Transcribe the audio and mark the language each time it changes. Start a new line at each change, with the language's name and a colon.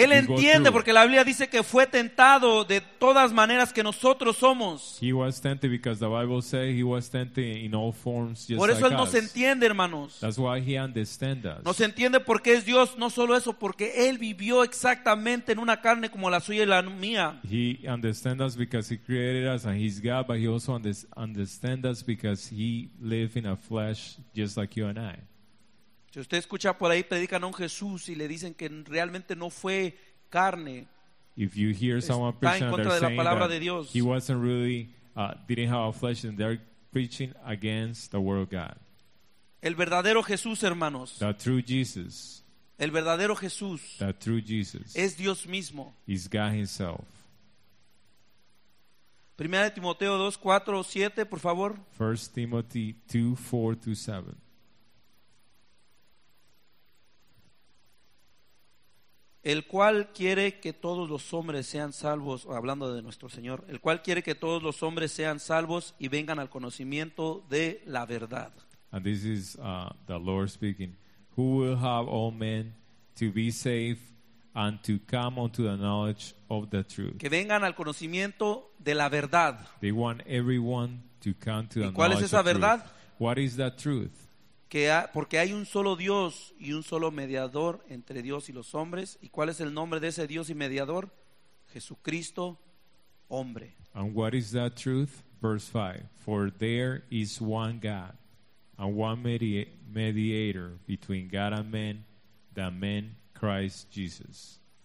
Spanish: Él entiende porque la Biblia dice que fue tentado de todas maneras que nosotros somos.
English: He was tempted because the Bible says he was tempted in all forms just like us.
Spanish: Por eso él nos entiende, hermanos.
English: That's why he understands us.
Spanish: Nos entiende porque es Dios, no solo eso, porque él vivió exactamente en una carne como la suya y la mía.
English: He understands us because he created us and he's God, but he also understands us because he lives in a flesh just like you and I.
Spanish: Si usted escucha por ahí predican a un Jesús y le dicen que realmente no fue carne,
English: if you hear someone preaching and they're saying that he wasn't really didn't have a flesh, and they're preaching against the word of God.
Spanish: El verdadero Jesús, hermanos,
English: the true Jesus,
Spanish: el verdadero Jesús,
English: the true Jesus,
Spanish: es Dios mismo,
English: is God himself.
Spanish: 1 Timoteo 2:4-7, por favor.
English: 1 Timothy 2:4-7.
Spanish: El cual quiere que todos los hombres sean salvos, hablando de nuestro Señor, el cual quiere que todos los hombres sean salvos y vengan al conocimiento de la verdad.
English: And this is the Lord speaking. Who will have all men to be saved and to come unto the knowledge of the truth.
Spanish: Que vengan al conocimiento de la verdad.
English: They want everyone to come to the
Spanish: ¿Y cuál es esa verdad?
English: What is that truth?
Spanish: Porque hay un solo Dios y un solo mediador entre Dios y los hombres. ¿Y cuál es el nombre de ese Dios y mediador? Jesucristo, hombre.
English: And what is that truth? Verse 5. For there is one God and one mediator between God and man, the man Christ Jesus.